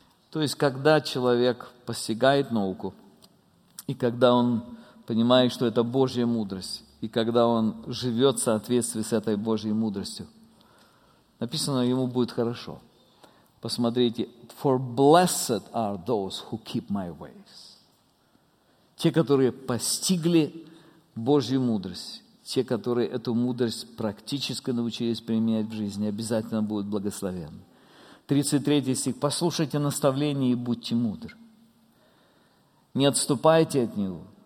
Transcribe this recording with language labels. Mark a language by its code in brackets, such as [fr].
[ru] То есть, когда человек постигает науку, и когда он понимает, что это Божья мудрость, и когда он живет в соответствии с этой Божьей мудростью, написано, ему будет хорошо. Посмотрите, [en] «For blessed are those who keep my ways». [ru] Те, которые постигли Божью мудрость, те, которые эту мудрость практически научились применять в жизни, обязательно будут благословены. 33 стих. «Послушайте наставление и будьте мудры. Не отступайте от него.